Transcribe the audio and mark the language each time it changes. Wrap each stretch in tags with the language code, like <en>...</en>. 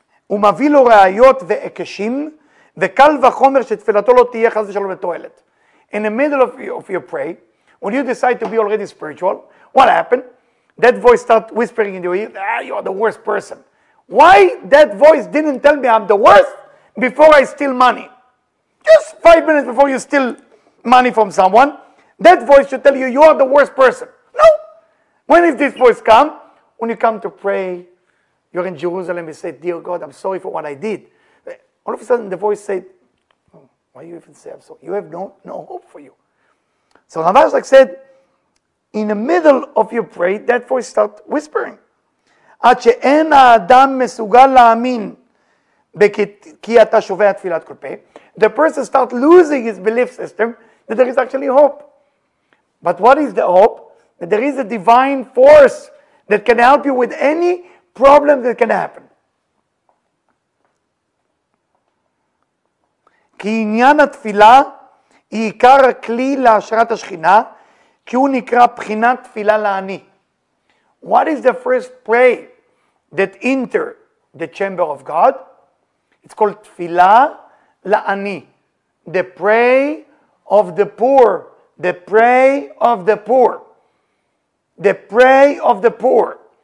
<he>ומביא לו ראיות והקשים, וקל וחומר שתפילתו לא תהיה חס ושלום לתועלת.</he> <en>In the middle of your pray, when you decide to be already spiritual, what happened? That voice starts whispering in your ear, you are the worst person. Why that voice didn't tell me I'm the worst before I steal money? Just 5 minutes before you steal money from someone, that voice should tell you you are the worst person. No. When is this voice come? When you come to pray, you're in Jerusalem, you say, dear God, I'm sorry for what I did. All of a sudden, the voice said, oh, why do you even say I'm sorry? You have no hope for you. So Rav Ashlag said, in the middle of your prayer, that voice starts whispering.</en> <he>עד שאין האדם מסוגל להאמין כי אתה שובע תפילת כל פה.</he> <en>The person starts losing his belief system that there is actually hope. But what is the hope? That there is a divine force that can help you with any problem that can happen.</en> <he>כי עניין התפילה היא עיקר הכלי להשרת השכינה, כי הוא נקרא בחינת תפילה לעני.</he> <en>What is the first prayer that enter the chamber of God? It's called Tfila La'ani. The prayer of the poor. The prayer of the poor. The prayer of the poor.</en>